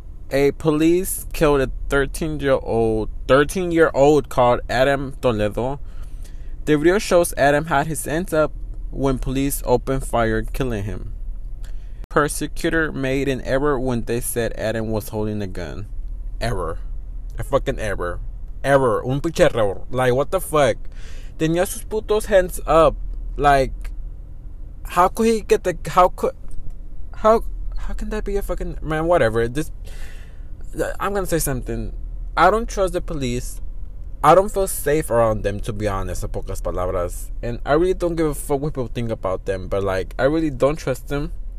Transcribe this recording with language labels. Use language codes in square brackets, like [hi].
[en] A police killed a 13-year-old called Adam Toledo. The video shows Adam had his hands up when police opened fire, killing him. Persecutor made an error when they said Adam was holding a gun. Error. A fucking error. Error. [es] Un pinche error. [en] Like, what the fuck? [es] Tenía sus putos hands up. [en] Like, how can that be a fucking, man, whatever. I'm gonna say something. I don't trust the police. I don't feel safe around them, to be honest, [es] en pocas palabras. [en] And I really don't give a fuck what people think about them, but like, I really don't trust them.